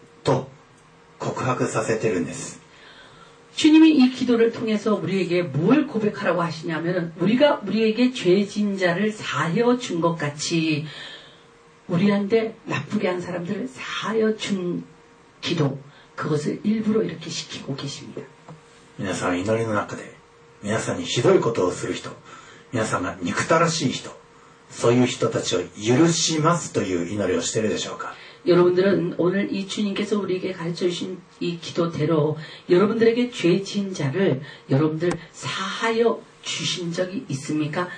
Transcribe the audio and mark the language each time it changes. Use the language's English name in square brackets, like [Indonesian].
[Japanese] 主は面白いですね。わざわざ我らに罪を犯す者を我らが許すと告白させてるんです。 [Korean] 주님이 이 기도를 통해서 우리에게 뭘 고백하라고 하시냐면 우리가 우리에게 죄진 자를 사하여 준 것 같이 우리한테 나쁘게 한 사람들을 사하여 준 기도 그것을 일부러 이렇게 시키고 계십니다. [Japanese] 皆さん祈りの中で皆さんにひどいことをする人 皆さんが憎たらしい人、そういう人たちを許しますという祈りをしているでしょうか? [Korean] 여러분들은 오늘 이 주님께서 우리에게 가르쳐 주신 이 기도대로 여러분들에게 죄진 자를 여러분들 사하여 주신 적이 있습니까?